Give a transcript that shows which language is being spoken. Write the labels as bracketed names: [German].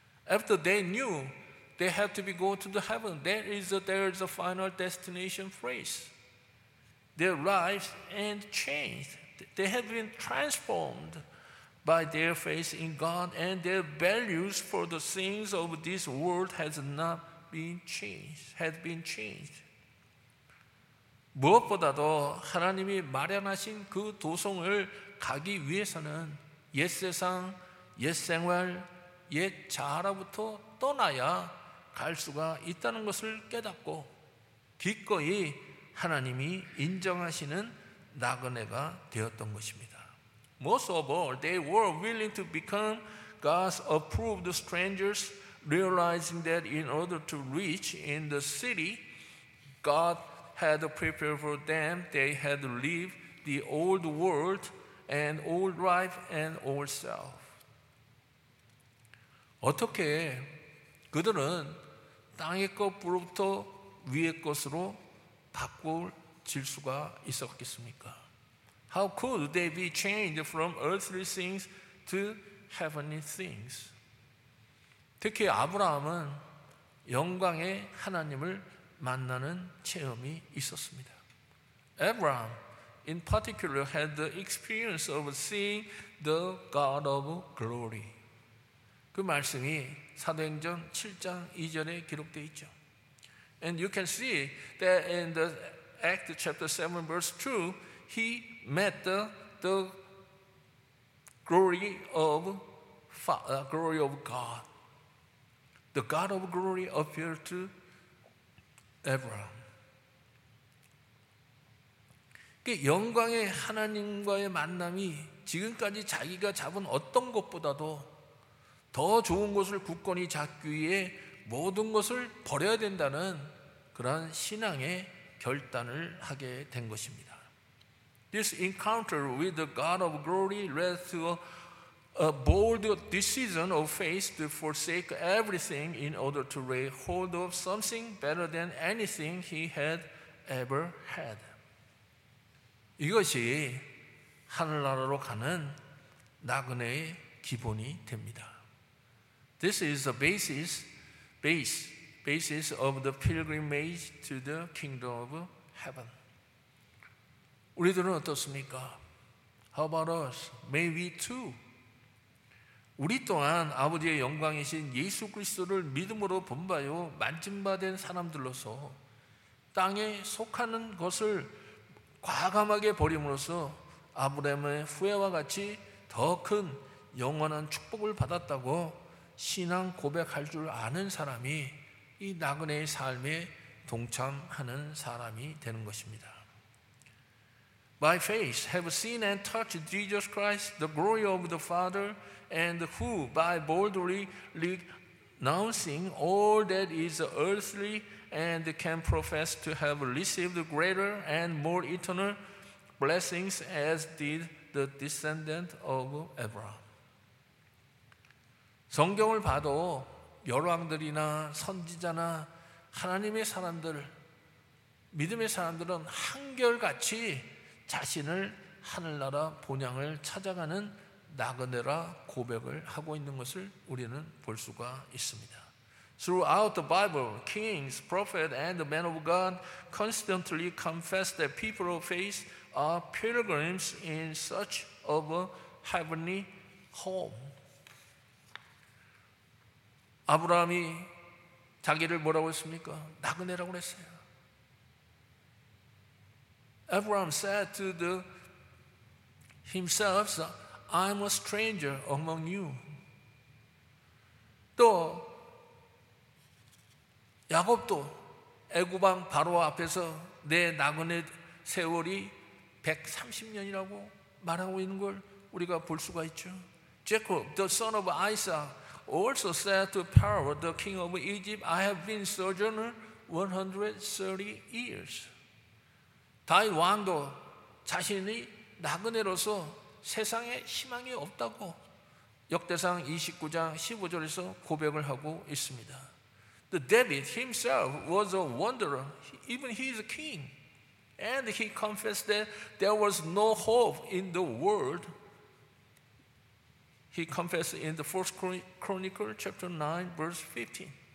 [English] After they knew they have to be go to the heaven, there is a final destination phrase. Their lives and changed. They have been transformed by their faith in God, and their values for the things of this world has not been changed, has been changed. [Korean] 무엇보다도 하나님이 마련하신 그 도성을 가기 위해서는 옛세상, 옛생활, 옛 자아로부터 떠나야 갈 수가 있다는 것을 깨닫고 기꺼이 하나님이 인정하시는 나그네가 되었던 것입니다. [English] Most of all, they were willing to become God's approved strangers, realizing that in order to reach in the city God had prepared for them, they had to leave the old world and old life and old self. [Korean] 어떻게 그들은 땅의 것부터 위의 것으로 바꿀 수가 있었겠습니까? [English] How could they be changed from earthly things to heavenly things? [Korean] 특히 아브라함은 영광의 하나님을 만나는 체험이 있었습니다. [English] Abraham, in particular, had the experience of seeing the God of glory. [Korean] 그 말씀이 사도행전 7장 2절에 기록되어 있죠. [English] And you can see that in the Acts chapter 7 verse 2, he met the glory of God. The God of glory appeared to Abraham. [Korean] 영광의 하나님과의 만남이 지금까지 자기가 잡은 어떤 것보다도 더 좋은 것을 굳건히 잡기 위해 모든 것을 버려야 된다는 그러한 신앙의 결단을 하게 된 것입니다. [English] This encounter with the God of glory led to a bold decision of faith to forsake everything in order to lay hold of something better than anything he had ever had. [Korean] 이것이 하늘나라로 가는 나그네의 기본이 됩니다. [English] This is the basis of the pilgrimage to the kingdom of heaven. [Korean] 우리들은 어떻습니까? [English] How about us? May we too? [Korean] 우리 또한 아버지의 영광이신 예수 그리스도를 믿음으로 본바요 만진바된 사람들로서 땅에 속하는 것을 과감하게 버림으로써 아브라함의 후예와 같이 더 큰 영원한 축복을 받았다고 신앙 고백할 줄 아는 사람이 이 나그네의 삶에 동참하는 사람이 되는 것입니다. [English] By faith have seen and touched Jesus Christ, the glory of the Father, and who, by boldly renouncing all that is earthly and can profess to have received greater and more eternal blessings as did the descendant of Abraham. [Korean] 성경을 봐도 열왕들이나 선지자나 하나님의 사람들, 믿음의 사람들은 한결같이 자신을 하늘나라 본향을 찾아가는 나그네라 고백을 하고 있는 것을 우리는 볼 수가 있습니다. [English] Throughout the Bible, kings, prophets, and the men of God constantly confess that people of faith are pilgrims in search of a heavenly home. [Korean] 아브라함이 자기를 뭐라고 했습니까? 나그네라고 했어요. [English] Abraham said to himself, I'm a stranger among you. [Korean] 또 야곱도 애굽 왕 바로 앞에서 내 나그네 세월이 130년이라고 말하고 있는 걸 우리가 볼 수가 있죠. [English] Jacob, the son of Isaac, also said to Pharaoh, the king of Egypt, I have been sojourner 130 years. [Korean] 다윗 왕도 자신이 나그네로서 세상에 희망이 없다고 역대상 29장 15절에서 고백을 하고 있습니다. [English] The David himself was a wanderer, even he is a king. And he confessed that there was no hope in the world. He confessed in the First Chronicle chapter 9 verse 15.